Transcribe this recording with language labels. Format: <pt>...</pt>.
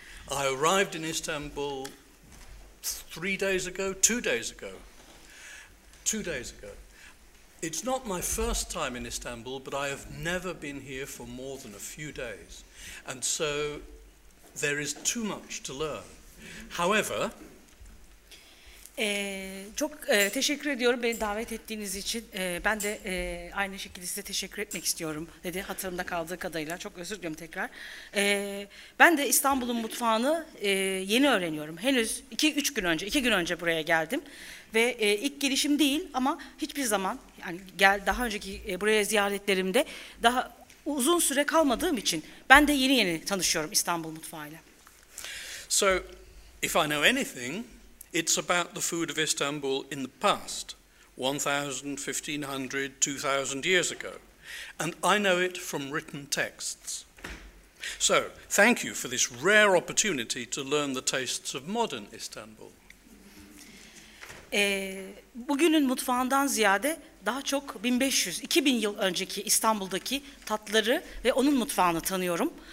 <en>I arrived in Istanbul 3 days ago, 2 days ago. 2 days ago. It's not my first time in Istanbul, but I have never been here for more than a few days. And so there is too much to learn. However,</en> <tr>Çok teşekkür ediyorum beni davet ettiğiniz için. Ben de aynı şekilde size teşekkür etmek istiyorum dedi hatırımda kaldığı kadarıyla. Çok özür diliyorum tekrar. Ben de İstanbul'un mutfağını yeni öğreniyorum. Henüz 2-3 gün önce, 2 gün önce buraya geldim. Ve ilk gelişim değil ama hiçbir zaman, yani daha önceki buraya ziyaretlerimde daha uzun süre kalmadığım için ben de yeni yeni tanışıyorum İstanbul mutfağıyla.</tr> <en>So, if I know anything, it's about the food of Istanbul in the past, 1,000, 1,500, 2,000 years ago. And I know it from written texts. So, thank you for this rare opportunity to learn the tastes of modern Istanbul.</en> <tr>Bugünün mutfağından ziyade daha çok 1500, 2000 yıl önceki İstanbul'daki tatları ve onun mutfağını tanıyorum.</tr>